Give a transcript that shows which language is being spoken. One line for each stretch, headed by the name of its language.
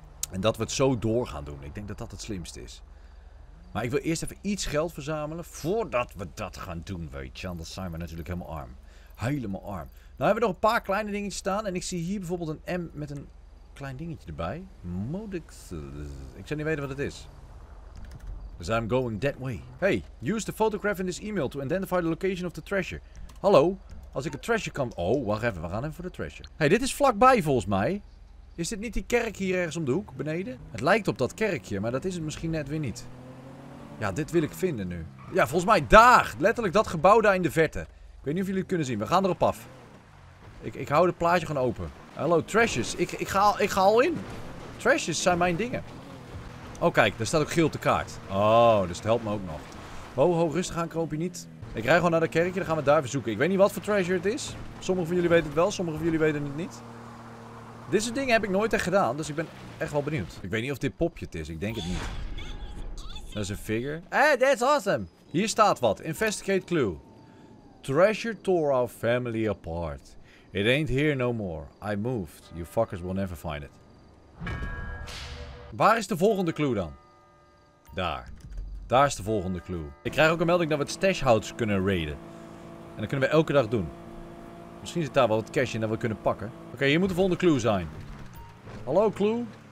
Dutch: En dat we het zo door gaan doen. Ik denk dat dat het slimste is. Maar ik wil eerst even iets geld verzamelen voordat we dat gaan doen, weet je. Anders zijn we natuurlijk helemaal arm. Helemaal arm. Nou hebben we nog een paar kleine dingetjes staan. En ik zie hier bijvoorbeeld een M met een klein dingetje erbij. Modix. Ik zou niet weten wat het is.
English: Dus I'm going that way. Hey, use the photograph in this email to identify the location of the treasure.
Dutch: Hallo, als ik een treasure kan... Oh, wacht even, we gaan even voor de treasure. Hey, dit is vlakbij volgens mij. Is dit niet die kerk hier ergens om de hoek beneden? Het lijkt op dat kerkje, maar dat is het misschien net weer niet. Ja, dit wil ik vinden nu. Ja, volgens mij daar, letterlijk dat gebouw daar in de verte. Ik weet niet of jullie het kunnen zien, we gaan erop af. Ik hou het plaatje gewoon open. Hallo, treasures, ik ga al in. Treasures zijn mijn dingen. Oh kijk, daar staat ook geel op de kaart. Oh, dus het helpt me ook nog. Ho, rustig aan, kroop je niet. Ik rij gewoon naar de kerkje, dan gaan we daar even zoeken. Ik weet niet wat voor treasure het is. Sommigen van jullie weten het wel, sommigen van jullie weten het niet. Dit soort dingen heb ik nooit echt gedaan, dus ik ben echt wel benieuwd. Ik weet niet of dit popje het is, ik denk het niet. Dat is een figure.
English: Hey, that's awesome!
Dutch: Hier staat wat,
English: investigate clue. Treasure tore our family apart. It ain't here no more. I moved. You fuckers will never find it.
Dutch: Waar is de volgende clue dan? Daar. Daar is de volgende clue. Ik krijg ook een melding dat we het stashhouse kunnen raiden. En dat kunnen we elke dag doen. Misschien zit daar wel wat cash in dat we kunnen pakken. Oké, hier moet de volgende clue zijn. Hallo clue.